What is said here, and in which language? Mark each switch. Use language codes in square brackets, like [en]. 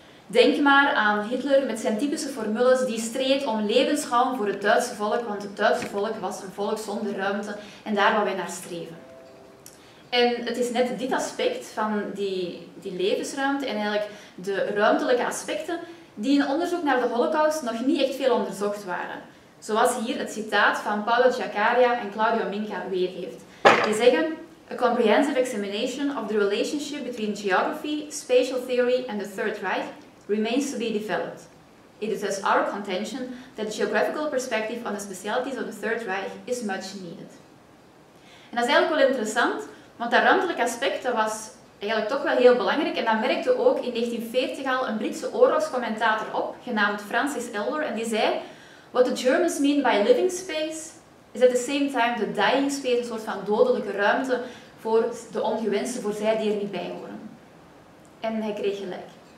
[nl] Denk maar aan Hitler met zijn typische formules die streed om levensraum voor het Duitse volk, want het Duitse volk was een volk zonder ruimte en daar wou wij naar streven. En het is net dit aspect van die levensruimte en eigenlijk de ruimtelijke aspecten die in onderzoek naar de Holocaust nog niet echt veel onderzocht waren. Zoals hier het citaat van Paolo Giacaria en Claudio Minca weergeeft. Die zeggen: [en] "A comprehensive examination of the relationship between geography, spatial theory and the Third Reich remains to be developed. It is thus our contention that the geographical perspective on the specialities of the Third Reich is much needed." [nl] En dat is eigenlijk wel interessant, want dat ruimtelijke aspect dat was eigenlijk toch wel heel belangrijk. En dat merkte ook in 1940 al een Britse oorlogscommentator op, genaamd Francis Elder. En die zei: [en] "What the Germans mean by living space is at the same time the dying space, [nl] een soort van dodelijke ruimte voor de ongewenste, voor zij die er niet bij horen." En hij kreeg gelijk.